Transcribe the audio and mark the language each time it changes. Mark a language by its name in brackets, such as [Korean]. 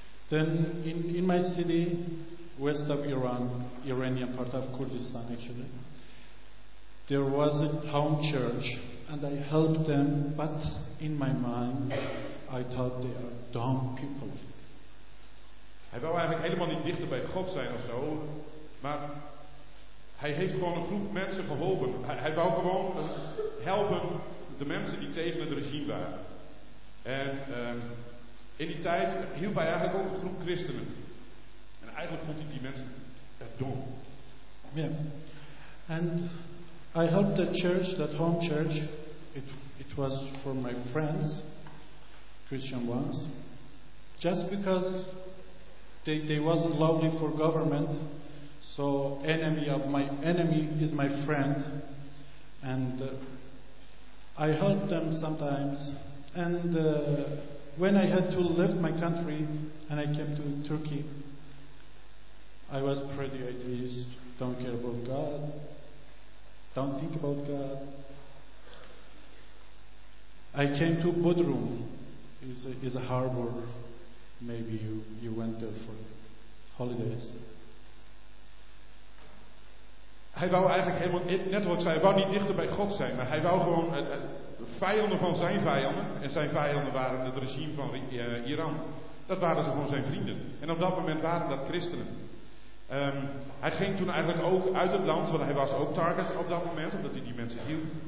[English] Then in my city, west of Iran, Iranian part of Kurdistan actually, there was a home church, and I helped them, but in my mind, I thought they are dumb people. [Dutch] Hij wou eigenlijk helemaal niet dichter bij God zijn of zo, maar hij heeft gewoon een groep mensen geholpen. Hij wou gewoon helpen de mensen die tegen het regime waren. En in die tijd hielp hij eigenlijk ook een groep christenen. En eigenlijk vond hij die mensen dom. Ja, yeah. [English] En I helped the church, that home church. It was for my friends, Christian ones. Just because they wasn't lovely for government, so enemy of my enemy is my friend, and I helped them sometimes. And when I had to leave my country and I came to Turkey, I was pretty atheist. Don't care about God. Don't think about God. I came to Bodrum. It's a harbor. Maybe you went there for holidays. [Dutch] Hij wou eigenlijk helemaal, net wat ik zei, hij wou niet dichter bij God zijn, maar hij wou gewoon vijanden van zijn vijanden. En zijn vijanden waren het regime van Iran. Dat waren ze gewoon zijn vrienden. En op dat moment waren dat christenen. Hij ging toen eigenlijk ook uit het land, want hij was ook target op dat moment, omdat hij die mensen hielp.